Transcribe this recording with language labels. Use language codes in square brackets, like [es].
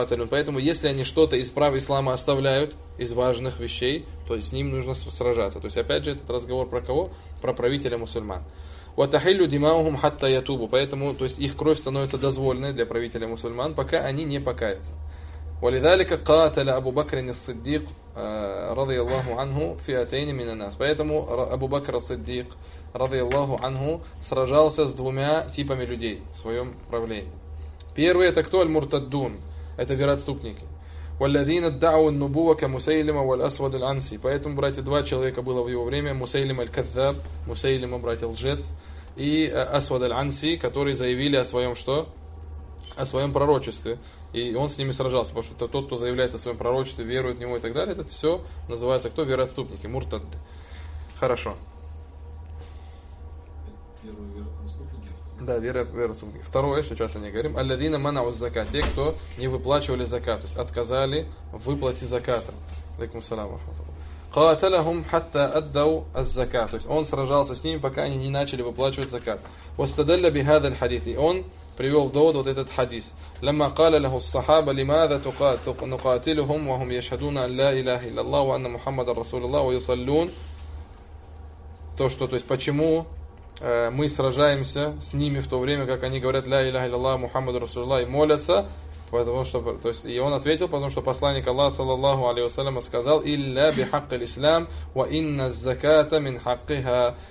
[ru] Поэтому, если они что-то из прав ислама оставляют, из важных вещей, то с ним нужно сражаться. То есть, опять же, этот разговор про кого? Про правителя мусульман. Поэтому, то есть, их кровь становится дозволенной для правителя мусульман, пока они не покаятся. [ar] ولذلك قاتل أبو بكر الصديق رضي الله عنه فئتين من الناس. [ru] Поэтому Абу Бакр ас-Сиддик [ar] رضي الله عنه [ru] сражался с двумя типами людей в своем правлении. Первый это кто? Аль-Муртаддун. Это вероотступники. [ar] والذين ادعوا النبوة كمسيلمة والأسود العنسي. [ru] Поэтому, братья, два человека было в его время: Мусейлим аль-Каззаб, Мусейлим, братья, лжец, и Асвад аль-Анси, которые заявили о своем что? О своем пророчестве. И он с ними сражался, потому что тот, кто заявляет о своем пророчестве, верует в него и так далее, это все называется кто? Вероотступники, муртадды. Хорошо. Первые вероотступники? Да, вероотступники. Второе, сейчас о ней говорим. [ar] Алладина манаус закат. [ru] Те, кто не выплачивали закат, то есть отказали в выплате заката. Алейкум ассалям. [ar] قاتلهم حتى أدوا الزكاة. [ru] То есть он сражался с ними, пока они не начали выплачивать закат. [ar] واستدل بهذا الحديث. [ru] Он привел в довод вот этот хадис. [ar] لما قال له الصحابة لماذا نقاتلهم وهم يشهدون أن لا إله إلا الله وأن محمد رسول الله ويصلون. [ru] То что, то есть почему мы сражаемся с ними в то время, как они говорят [ar] لا إله إلا الله محمد رسول الله [ru] и молятся. Потому что, то есть, и он ответил, потому что посланник Аллаха, саллаллаху алейхи ва саллям, сказал [ar] «Илля би хакки ль-ислам, ва инна заката мин хаккиха».